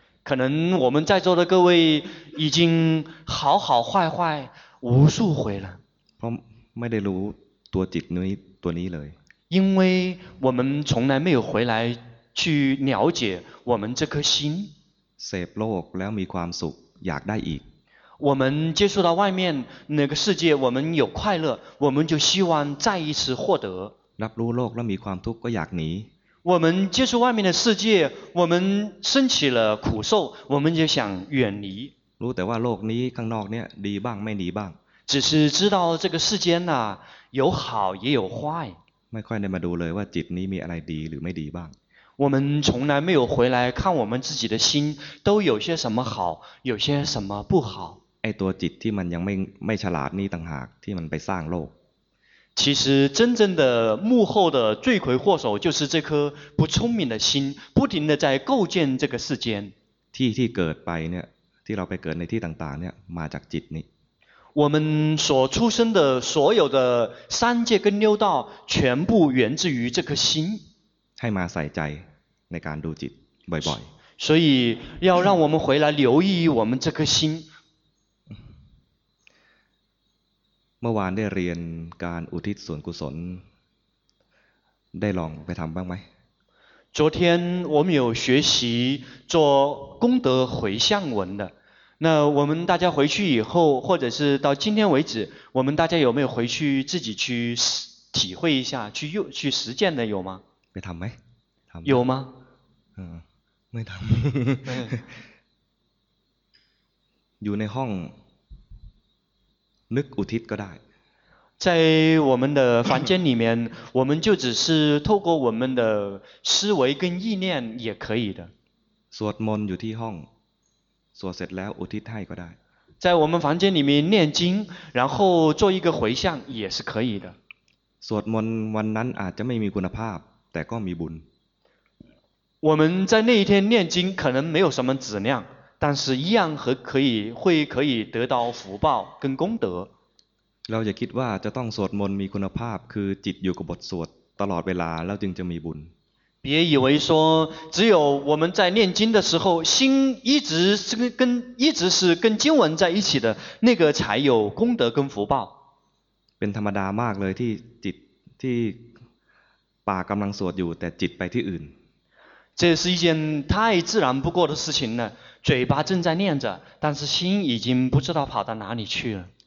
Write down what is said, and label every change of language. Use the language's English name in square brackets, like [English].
[Chinese] 可能我们在座的各位已经好好坏坏无数回了 [Thai] เพราะไม่ได้รู้ตัวจิตนี้ตัวนี้เลย [Chinese] 因为我们从来没有回来去了解我们这颗心 [Thai] เสพโลกแล้วมีความสุขอยากได้อีก [Chinese] 我们接触到外面那个世界，我们有快乐，我们就希望再一次获得。 [Thai] รับรู้โลกแล้วมีความทุกข์ก็อยากหนี。 [Chinese] 我们接触外面的世界，我们升起了苦受，我们就想远离。 [Thai] รู้แต่ว่าโลกนี้ข้างนอกเนี่ยดีบ้างไม่ดีบ้าง。 [Chinese] 只是知道这个世间呐，有好也有坏。 [Thai] ไม่ค่อยได้มาดูเลยว่าจิตนี้มีอะไรดีหรือไม่ดีบ้าง。 [Chinese] 我们从来没有回来看我们自己的心都有些什么好，有些什么不好。 [Thai] ไอ้ตัวจิตที่มันยังไม่ฉลาดนี่ต่างหากที่มันไปสร้างโลก。 [Chinese] 其实真正的幕后的罪魁祸首就是这颗不聪明的心，不停的在构建这个世间。 [Thai] ที่เกิดไปเนี่ยที่เราไปเกิดในที่ต่างๆเนี่ยมาจากจิตนี่。 [Chinese] 我们所出生的所有的三界跟六道，全部源自于这颗心。 [Thai] ให้มาใส่ใจในการดูจิตบ่อย [Chinese] ๆ所以要让我们回来留意我们这颗心。 [Thai] เมื่อวานได้เรียนการอุทิศส่วนกุศลได้ลองไปทำบ้างไหม [Chinese] 昨天我们有学习做功德回向文的，那我们大家回去以后，或者是到今天为止，我们大家有没有回去自己去体会一下，去实践的有吗？ [Thai] ไปทำไหม？ [Chinese] 有吗？ [Thai] ไม่ทำ。 [Chinese] อยู่ในห้องนึกอุทิศก็ได้ 在我们的房间里面，我们就只是透过我们的思维跟意念也可以的。 [Thai] สวดมนต์อยู่ที่ห้องสวดเสร็จแล้วอุทิศให้ก็ได้。 [Chinese] 在我们房间里面念经，然后做一个回向也是可以的。 [Thai] สวดมนต์วันนั้นอาจจะไม่มีคุณภาพแต่ก็มีบุญ。 [Chinese] 我们在那一天念经可能没有什么质量，但是一样可以得到福报跟功德。 [Thai] เราจะคิดว่าจะต้องสวดมนต์มีคุณภาพคือจิตอยู่กับบทสวดตลอดเวลาแล้วจึงจะมีบุญ [Chinese] 别以为说只有我们在念经的时候心一直是跟经文在一起的那个才有功德跟福报 [Thai] เป็นธรรมดามากเลยที่จิตที่ปากกำลังสวดอยู่แต่จิตไปที่อื่น [Chinese] 这是一件太自然不过的事情了嘴巴正在念着但是心已经不知道跑到哪里去了